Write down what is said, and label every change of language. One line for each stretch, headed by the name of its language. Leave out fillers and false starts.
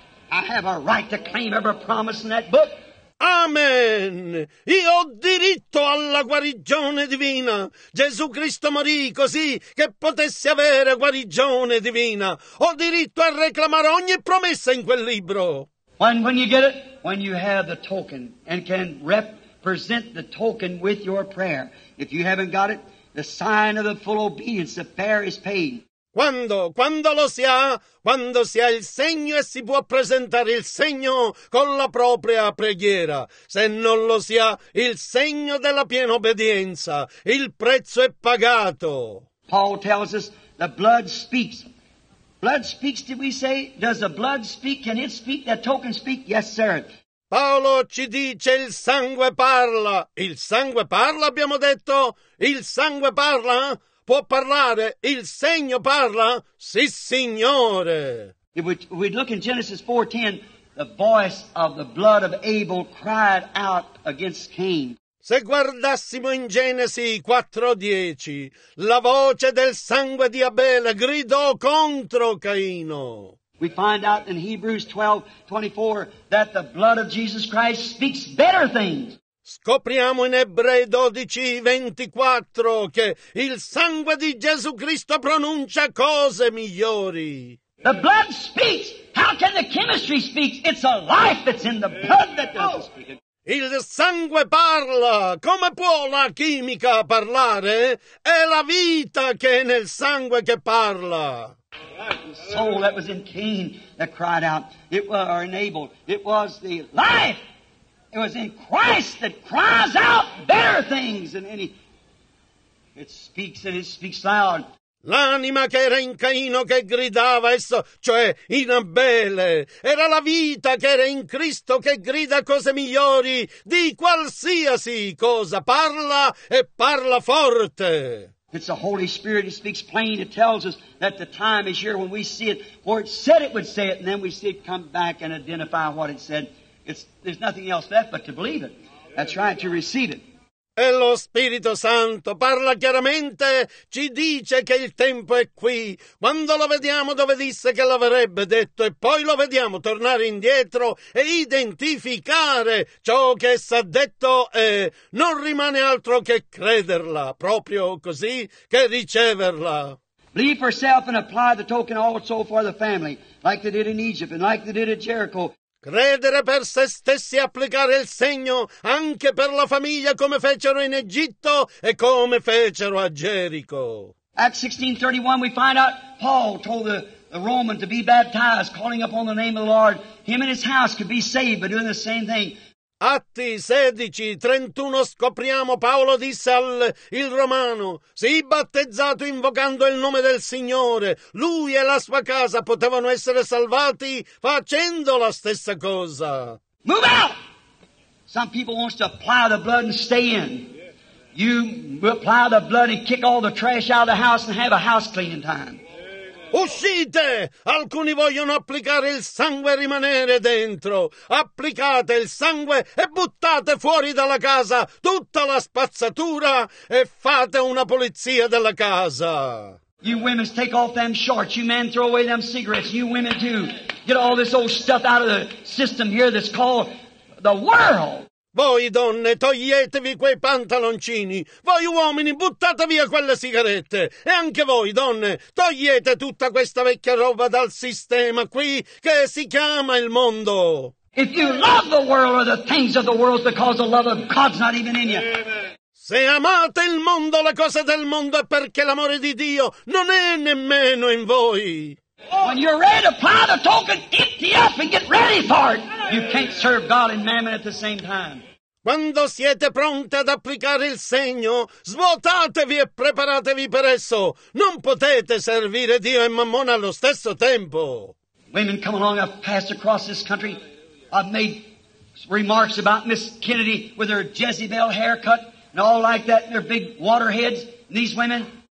English: I have a right to claim every promise in that book. Amen!
Italian: Io ho diritto alla guarigione divina. Gesù Cristo morì così che potessi avere guarigione divina. Ho diritto a reclamare ogni promessa in quel libro.
English: When you get it, when you have the token and can represent the token with your prayer. If you haven't got it, the sign of the full obedience, the prayer is paid.
Italian: Quando lo si ha, quando si ha il segno e si può presentare il segno con la propria preghiera. Se non lo si ha, il segno della piena obbedienza, il prezzo è pagato.
English: Paul tells us the blood speaks. Blood speaks, did we say? Does the blood speak? Can it speak? That token speak? Yes, sir.
Italian: Paolo ci dice il sangue parla. Il sangue parla, abbiamo detto? Il sangue parla? Può parlare? Il segno parla? Sì, Signore!
English: We look in Genesis 4:10, the voice of the blood of Abel cried out against Cain.
Italian: Se guardassimo in Genesi 4:10, la voce del sangue di Abele gridò contro Caino.
English: We find out in Hebrews 12:24 that the blood of Jesus Christ speaks better things.
Italian: Scopriamo in Ebrei 12:24 che il sangue di Gesù Cristo pronuncia cose migliori.
English: The blood speaks. How can the chemistry speak? It's a life that's in the blood that does speak.
Italian: Il sangue parla. Come può la chimica parlare? È la vita che è nel sangue che parla.
English: The soul that was in Cain that cried out, it was enabled. It was the life. It was in Christ that cries out better things than any. It speaks and it speaks loud.
Italian: L'anima che era in Caino che gridava, esso, cioè in Abele, era la vita che era in Cristo che grida cose migliori di qualsiasi cosa. Parla e parla forte.
English: It's the Holy Spirit that speaks plain. It tells us that the time is here when we see it, for it said it would say it, and then we see it come back and identify what it said. There's nothing else left but to believe it. That's right, to receive it.
Italian: E lo Spirito Santo parla chiaramente, ci dice che il tempo è qui. Quando lo vediamo dove disse che l'avrebbe detto, e poi lo vediamo tornare indietro e identificare ciò che essa ha detto, e non rimane altro che crederla, proprio così, che riceverla.
English: Believe for self and apply the token also for the family, like they did in Egypt and like they did at Jericho.
Italian: Credere per se stessi e applicare il segno anche per la famiglia come fecero in Egitto e come fecero a Gerico.
English: Acts 16:31 we find out Paul told the Roman to be baptized, calling upon the name of the Lord. Him and his house could be saved by doing the same thing.
Italian: Atti 16:31 scopriamo Paolo disse al il Romano, sii battezzato invocando il nome del Signore, lui e la sua casa potevano essere salvati facendo la stessa cosa.
English: Move out! Some people wants to apply the blood and stay in. You apply the blood and kick all the trash out of the house and have a house cleaning time.
Italian: Uscite! Alcuni vogliono applicare il sangue e rimanere dentro. Applicate il sangue e buttate fuori dalla casa tutta la spazzatura e fate una pulizia della casa.
English: You women take off them shorts. You men throw away them cigarettes. You women too. Get all this old stuff out of the system here that's called the world.
Italian: Voi donne, toglietevi quei pantaloncini. Voi uomini, buttate via quelle sigarette. E anche voi donne, togliete tutta questa vecchia roba dal sistema qui che si chiama il mondo.
English: If you love the world or the things of the world, because the love of God's not even in you.
Italian: Se amate il mondo, le cose del mondo, è perché l'amore di Dio non è nemmeno in voi.
English: When you're ready to apply the token, empty up and get ready for it. You can't serve God and mammon at the same time.
Italian: Quando siete pronte ad applicare il segno, svuotatevi e preparatevi per esso. Non potete servire Dio e mammona allo stesso tempo.
English: Women come along, I've passed across this country. I've made remarks about Miss Kennedy with her Jezebel haircut and all like that, and their big waterheads, and these women.